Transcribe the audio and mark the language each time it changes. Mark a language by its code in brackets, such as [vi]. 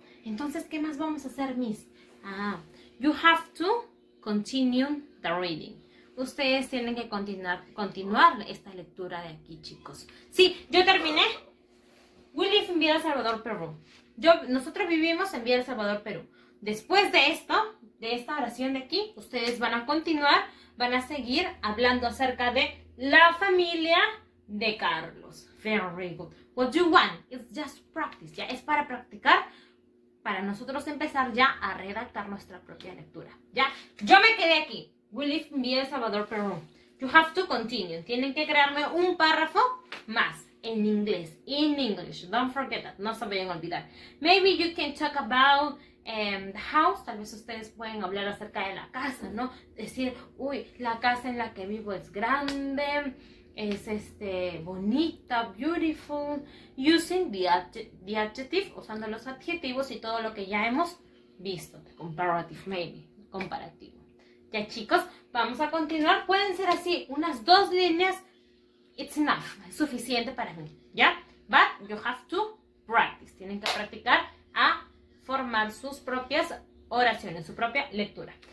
[es] Entonces, ¿qué más vamos a hacer, Miss? [en] You have to continue the reading. [es] Ustedes tienen que continuar esta lectura de aquí, chicos. Sí, yo terminé. [en] We live in Villa El Salvador, Perú. [es] Nosotros vivimos en Villa El Salvador, Perú. Después de esto, de esta oración de aquí, ustedes van a continuar, van a seguir hablando acerca de la familia de Carlos. [en] Very good. What you want is just practice. [es] Ya es para practicar, para nosotros empezar ya a redactar nuestra propia lectura. Ya, yo me quedé aquí. [en] We live in Villa El Salvador, Peru. You have to continue. [es] Tienen que crearme un párrafo más. en inglés. [en] In English. Don't forget that. [es] No se vayan a olvidar. [en] Maybe you can talk about the house. [es] Tal vez ustedes pueden hablar acerca de la casa, ¿no? Decir, uy, la casa en la que vivo es grande, es bonita, beautiful. [en] Using the adjective, [es] usando los adjetivos y todo lo que ya hemos visto. [en] The comparative, maybe. [es] Comparativo. Ya, chicos, vamos a continuar. Pueden ser así, unas dos líneas. [en] It's enough. [es] Es suficiente para mí. ¿Ya? [en] But you have to practice. [es] Tienen que practicar a formar sus propias oraciones, su propia lectura.